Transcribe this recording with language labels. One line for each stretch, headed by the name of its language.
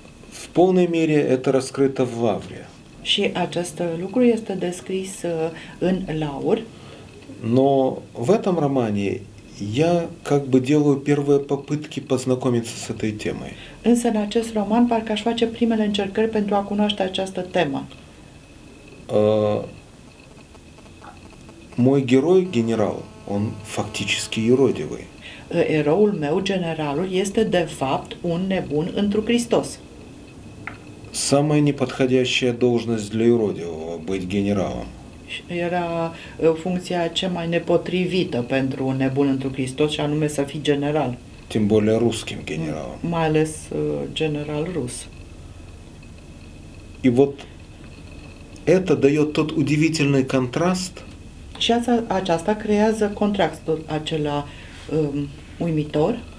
Russian: В полной мере это раскрыто в Лавре.
Romanian: Și acest lucru este descris în Laur.
Russian: Но в этом романе я как бы делаю первые попытки познакомиться с этой темой.
Romanian: Însă în acest roman parcă aș face primele încercări pentru a cunoaște această temă.
Russian: Мой герой, генерал, он фактически юродивый.
Romanian: Eroul meu, generalul, este de fapt un nebun întru Hristos.
Russian: Самая неподходящая должность для юродивого – быть генералом.
Romanian: Era funcția cea mai nepotrivită pentru un nebun întru Hristos, și anume să fii general.
Russian: Тем более русским генералом.
Romanian: Mai ales general rus.
Russian: И вот это дает тот удивительный контраст.
Romanian: Și aceasta creează contrastul acela uimitor.